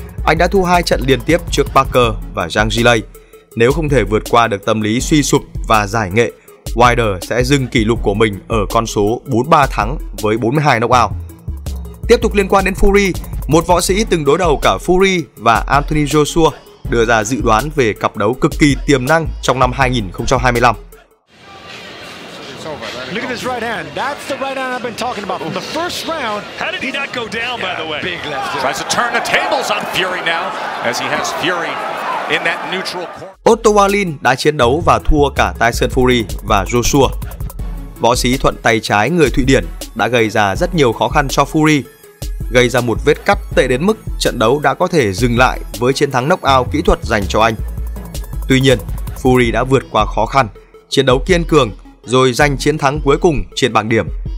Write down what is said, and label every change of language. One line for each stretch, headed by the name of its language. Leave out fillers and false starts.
Vietnamese: Anh đã thua 2 trận liên tiếp trước Parker và Zhang Zhilei. Nếu không thể vượt qua được tâm lý suy sụp và giải nghệ, Wilder sẽ dừng kỷ lục của mình ở con số 43 thắng với 42 knockout. Tiếp tục liên quan đến Fury, một võ sĩ từng đối đầu cả Fury và Anthony Joshua đưa ra dự đoán về cặp đấu cực kỳ tiềm năng trong năm 2025.
English: Look at this right hand. That's the right hand I've been talking about. The first round, how did he not go down, by the way? Big left. Tries to turn the tables on Fury now as he has Fury in that neutral corner.
Vietnamese: Otto Wallin đã chiến đấu và thua cả Tyson Fury và Joshua. Võ sĩ thuận tay trái người Thụy Điển đã gây ra rất nhiều khó khăn cho Fury, gây ra một vết cắt tệ đến mức trận đấu đã có thể dừng lại với chiến thắng knockout kỹ thuật dành cho anh. Tuy nhiên, Fury đã vượt qua khó khăn, chiến đấu kiên cường rồi giành chiến thắng cuối cùng trên bảng điểm.